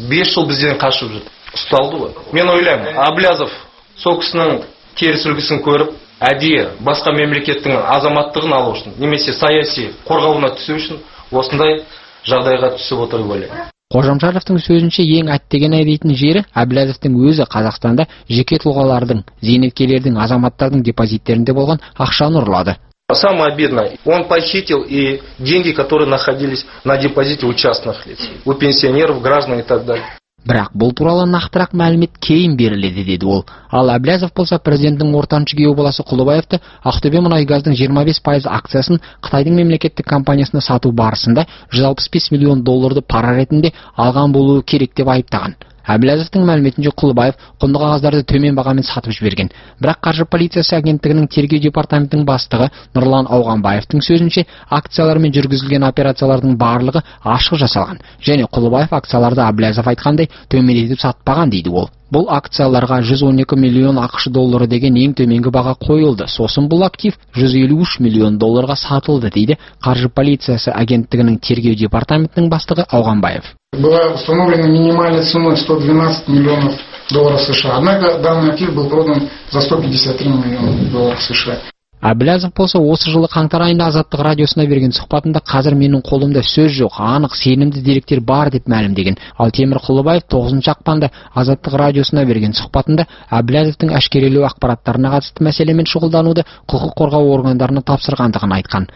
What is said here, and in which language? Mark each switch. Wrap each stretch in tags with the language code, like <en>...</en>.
<kk>5 жыл бізден қашып жүрді. Ұсталды ғой. Мен ойлаймын, Әблязов сол кісінің теріс үлгісін көріп, әдейі басқа мемлекеттің азаматтығын алу үшін немесе саяси қорғауына түсу үшін осындай жағдайға түсіп отыр деп ойлаймын. Қожамжаровтың сөзінше, ең әттеген айтатын жері Әблязовтың өзі Қазақстанда жеке тұлғалардың, зейнеткерлердің, азаматтардың депозиттерінде болған ақшаны ұрлады.</kk> <ru>Самое обидное, он похитил и деньги, которые находились на депозите у частных лиц, у пенсионеров, граждан и так далее.</ru> <kk>Бірақ бұл туралы нақтырақ мәлімет кейін беріледі, деді ол. Ал Әблязов болса, президенттің ортаншы күйеу баласы Құлыбаевты Ақтөбе мұнайгаздың 25% акциясын Қытайдың мемлекеттік компаниясына сату барысында 165 миллион долларды пара ретінде алған болуы керек деп айыптаған. Әбіләзовтың мәліметінше Құлыбаев құнды қағаздарды төмен бағамен сатып жіберген. Бірақ қаржы полициясы агенттігінің тергеу департаментінің бастығы Нұрлан Ауғанбаевтың сөзінше, акциялармен жүргізілген операциялардың барлығы ашық жасалған. Және Құлыбаев акцияларды Әбіләзов айтқандай төмендетіп сатпаған дейді ол. Бұл акцияларға 112 миллион ақш доллары деген ең төменгі баға қойылды. Сосын бұл актив 153 миллион долларға сатылды дейді қаржы полициясы агенттігінің тергеу департаментінің бастығы Ауғанбаев.</kk> <ru>Была установлена минимальная цена 112 миллионов долларов США. Однако данный актив был продан за 153 миллиона долларов США.</ru> <kk>Әбіләзов болса осы жылы қаңтар айында Азаттық радиосына берген сұхбатында қазір менің қолымда сөз жоқ, анық сенімді деректер бар деп мәлімдеген. Ал Темір Құлыбаев 9 ақпанда Азаттық радиосына берген сұхбатында Әбіләзовтың әшкерелеу ақпараттарына қатысты мәселемен шұғылдануды құқық қорғау органдарына тапсырғандығын айтқан.</kk>